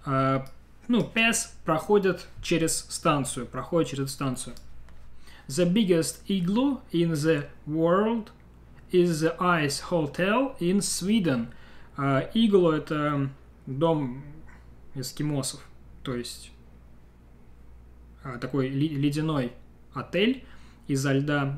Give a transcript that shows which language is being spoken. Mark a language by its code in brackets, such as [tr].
[ru] Pass — проходят через станцию, проходят через станцию. [en] The biggest igloo in the world is the Ice Hotel in Sweden. [ru] Igloo — это дом эскимосов, то есть такой ледяной отель изо льда.